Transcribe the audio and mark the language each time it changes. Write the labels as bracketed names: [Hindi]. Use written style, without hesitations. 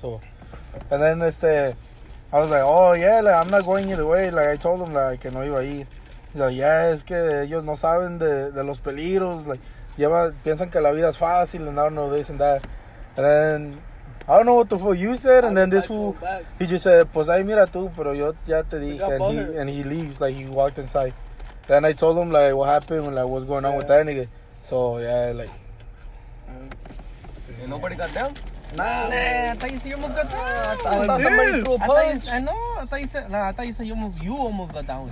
[English] So, and then I was like, oh yeah, like, I'm not going either way. Like, I told him, like, [Spanish] que no iba a ir. [English] He's like, yeah, [Spanish] es que ellos no saben de los peligros. [English] Like, [Spanish] lleva, piensan que la vida es fácil, [English] and I don't know this and that. And then I don't know what the fuck you said. And then this fool, he just said, [Spanish] pues ahí mira tú, pero yo ya te dije. [English] And he leaves, like, he walked inside. Then I told him, like, what happened, and, like, what's going on with that nigga. So, yeah, like. Nobody got down? Nah, man. I thought you almost got down. I thought somebody threw a punch. I know. I thought you said you almost got down with